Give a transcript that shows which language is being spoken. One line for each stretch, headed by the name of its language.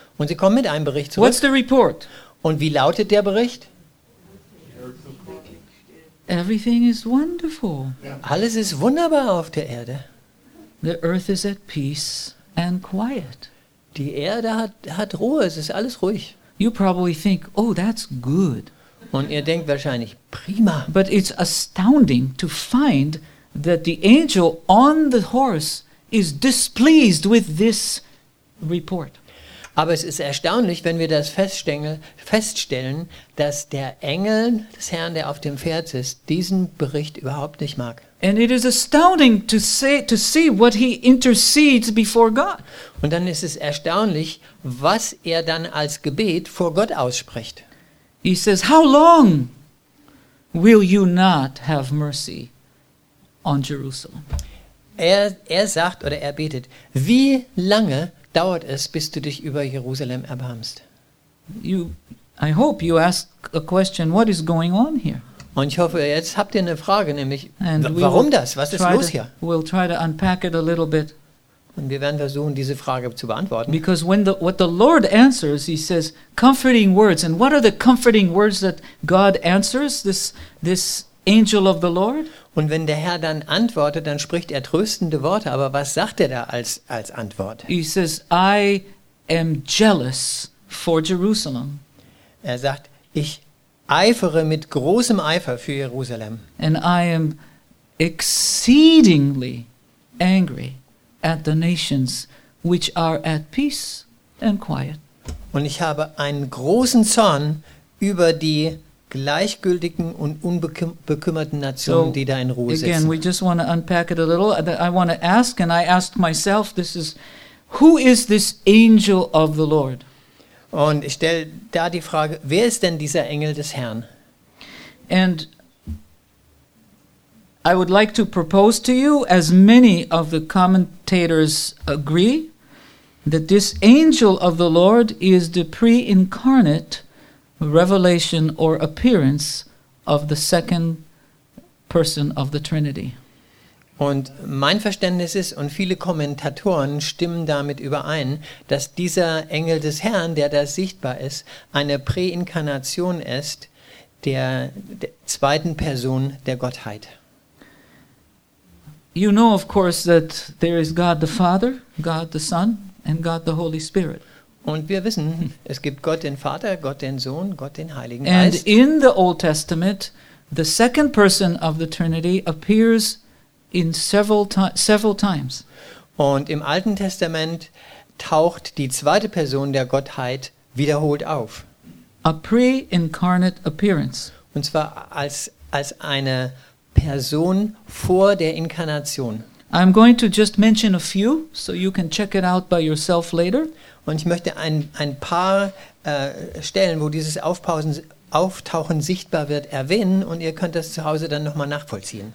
German: Und sie kommen mit einem Bericht zurück.
English: What's the report?
German: Und wie lautet der Bericht?
English: Everything is wonderful.
German: Alles ist wunderbar auf der Erde.
English: The earth is at peace and quiet.
German: Die Erde hat Ruhe, es ist alles ruhig.
English: You probably think, oh, that's good.
German: Und ihr denkt wahrscheinlich, prima.
English: But it's astounding to find that the angel on the horse is displeased with this report.
German: Aber es ist erstaunlich, wenn wir das feststellen, dass der Engel des Herrn, der auf dem Pferd ist, diesen Bericht überhaupt nicht mag.
English: And it is astounding to see what he intercedes before God.
German: Und dann ist es erstaunlich, was er dann als Gebet vor Gott ausspricht.
English: He says, "How long will you not have mercy on Jerusalem?"
German: Er sagt oder er betet, wie lange dauert es, bis du dich über Jerusalem erbarmst?
English: I hope you ask a question, what is going on here?
German: Und ich hoffe, jetzt habt ihr eine Frage, nämlich, warum das? Was ist los hier?
English: We'll try to unpack it a little bit.
German: Und wir werden versuchen, diese Frage zu beantworten.
English: Because what the Lord answers, he says, comforting words. And what are the comforting words that God answers, this angel of the Lord?
German: Und wenn der Herr dann antwortet, dann spricht er tröstende Worte. Aber was sagt er da als Antwort?
English: He says, I am jealous for Jerusalem.
German: Er sagt, ich eifere mit großem Eifer für Jerusalem.
English: And I am exceedingly angry at the nations which are at peace and quiet.
German: Und ich habe einen großen Zorn über die gleichgültigen und unbekümmerten Nationen, die da in Ruhe sitzen.
English: Again, we just want to unpack it a little. I want to ask, and I ask myself, this is, who is this angel of the Lord?
German: Und ich stelle da die Frage, wer ist denn dieser Engel des Herrn?
English: And I would like to propose to you, as many of the commentators agree, that this angel of the Lord is the pre-incarnate revelation or appearance of the second person of the Trinity.
German: Und mein Verständnis ist, und viele Kommentatoren stimmen damit überein, dass dieser Engel des Herrn, der da sichtbar ist, eine Präinkarnation ist der zweiten Person der Gottheit.
English: You know, of course, that there is God the Father, God the Son, and God the Holy Spirit.
German: Und wir wissen, es gibt Gott den Vater, Gott den Sohn, Gott den Heiligen Geist.
English: And in the Old Testament, the second person of the Trinity appears in several times.
German: Und im Alten Testament taucht die zweite Person der Gottheit wiederholt auf.
English: A pre-incarnate appearance.
German: Und zwar als eine Person vor der Inkarnation.
English: I'm going to just mention a few, so you can check it out by yourself later.
German: Und ich möchte ein paar Stellen, wo dieses Auftauchen sichtbar wird, erwähnen und ihr könnt das zu Hause dann nochmal nachvollziehen.